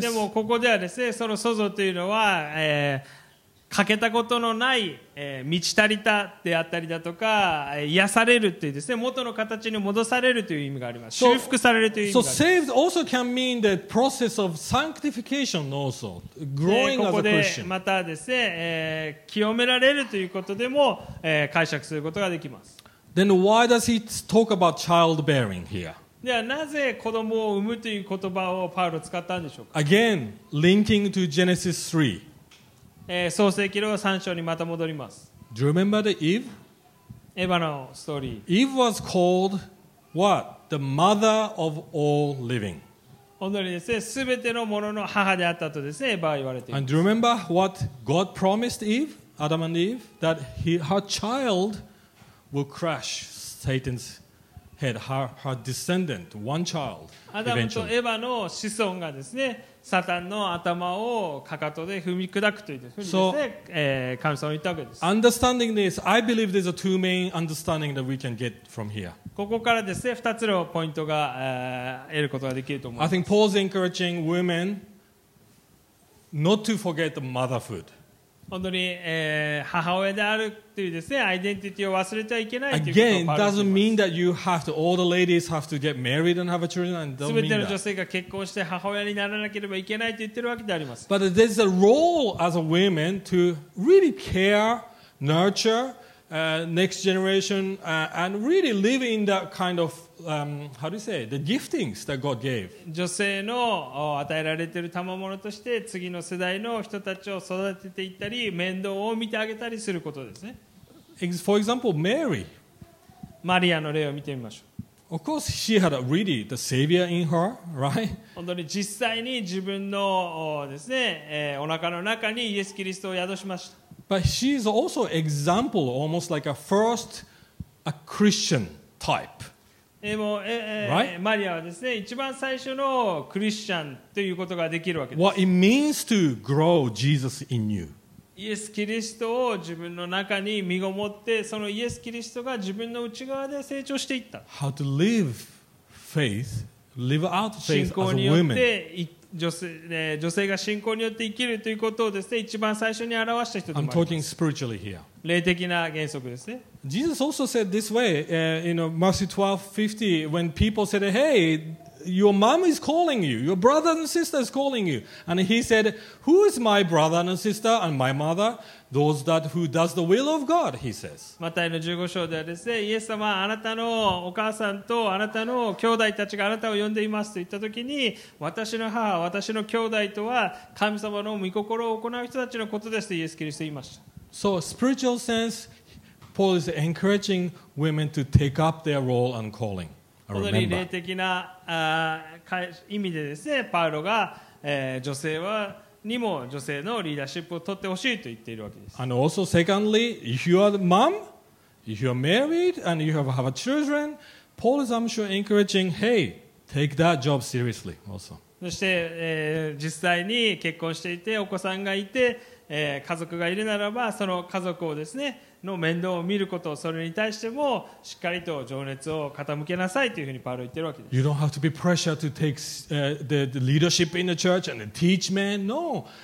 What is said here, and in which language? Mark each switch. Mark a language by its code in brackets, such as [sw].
[ja] でもここではですね、その創造というのは、欠けたことのない、満ち足りたであったりだとか癒されるというですね元の形に戻されるという意味があります修復されるという意味があります [en] so, saved also can mean the process of sanctification also growing as a Christian [ja] ここでまたですね、清められるということでも、解釈することができます [en] then why does he talk about childbearing here? [ja] ではなぜ子供を産むという言葉をパウロ使ったんでしょうか [en] again linking to Genesis 3 [ja] 創世記の3章にまた戻ります。 [en] Do you remember the Eve? [ja] エヴァのストーリー。 [en] Eve was called what? The mother of all living. [ja] 本当にですね、すべてのものの母であったとですね、エヴァは言われています。 [en] And do you remember what God promised Eve, Adam and Eve, that her child will crush Satan's head, her descendant, one child, eventually. [ja] アダムとエヴァの子孫がですね。サタンの頭をかかとで踏み砕くというふうにですね、神様言ったわけです。 [en] Understanding this, I believe there's a two main understanding that we can get from here. [ja] ここからですね、2つのポイントが、得ることができると思います。 [en] I think Paul's encouraging women not to forget the motherhood. [ja] 本当に、母親であるというですね、アイデンティティを忘れちゃいけないということ [en] を Again, it doesn't mean that you have to, all the ladies have to get married and have a children, and don't mean that. [ja] 全ての女性が結婚して母親にならなければいけないと言ってるわけであります。 [en] But there's a role as a woman to really care, nurture, next generation, and really live in that kind of, how do you say, the giftings that God gave. [ja] 女性の与えられてる賜物として次の世代の人たちを育てていったり、面倒を見てあげたりすることですね。 [en] For example, Mary. [ja] マリアの例を見てみましょう。 [en] Of course, she had a really the Savior in her, right? [ja] 本当に実際に自分のですね、お腹の中にイエス・キリストを宿しました。 [en] But she is also example, almost like a first a Christian type. Right? [ja] マリアはですね、一番最初のクリスチャンということができるわけです。 [en] What it means to grow Jesus in you. [ja] イエス・キリストを自分の中に身ごもってそのイエス・キリストが自分の内側で成長していった [en] How to live faith, live out faith as a woman. [ja] 信仰によって女性が信仰によって生きるということをですね一番最初に表した人でもあります [en] I'm talking spiritually here. [ja] 霊的な原則ですね [en] Jesus also said this way Matthew 12:50 when people said hey your mom is calling you your brother and sister is calling you and he said who is my brother and sister and my mother those that who does the will of God he says [ja] マタイの15章ではですねイエス様あなたのお母さんとあなたの兄弟たちがあなたを呼んでいますと言った時に私の母私の兄弟とは神様の御心を行う人たちのことですとイエスキリスト言いました [en] so spiritual sense Paul is encouraging women to take up their role and calling [ja] 本当に霊的な意味でですね、パウロが、女性はにも女性のリーダーシップを取ってほしいと言っているわけです。 [en] And also secondly, if you are the mom, if you are married and you have a children, Paul is, I'm sure, encouraging, hey, take that job seriously also. [ja] そして、実際に結婚していて、お子さんがいて、家族がいるならば、その家族をですね、の面倒を見ること、それに対しても、しっかりと情熱を傾けなさいというふうにパウロ言ってるわけです。 [en] You don't have to be pressured to take the leadership in the church and teach men. No.